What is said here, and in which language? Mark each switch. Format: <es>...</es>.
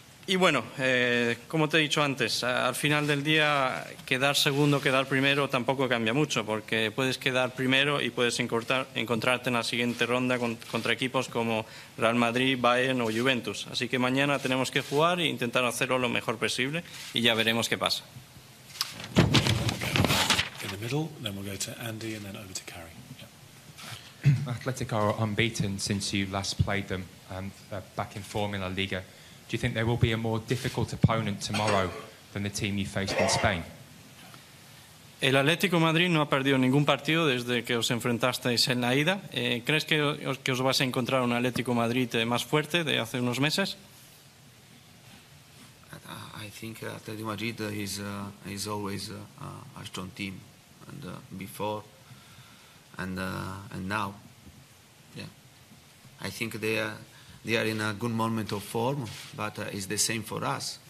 <es>Y bueno, como te he dicho antes, al final del día quedar segundo, quedar primero tampoco cambia mucho, porque puedes quedar primero y puedes encontrarte en la siguiente ronda contra equipos como Real Madrid, Bayern o Juventus. Así que mañana tenemos que jugar e intentar hacerlo lo mejor posible y ya veremos qué pasa.</es> <en>In the middle, then we'll go to Andy and then over to Carrie. Yeah. Athletic are unbeaten since you last played them back in Formula Liga. Do you think there will be a more difficult opponent tomorrow than the team you faced in Spain?</en> <es>El Atlético Madrid no ha perdido ningún partido desde que os enfrentasteis en la ida. ¿Crees que os vas a encontrar un Atlético Madrid más fuerte de hace unos meses?</es> <en>I think Atletico Madrid is always a strong team, and before and now, yeah. I think they are in a good moment of form, but it's the same for us.</en>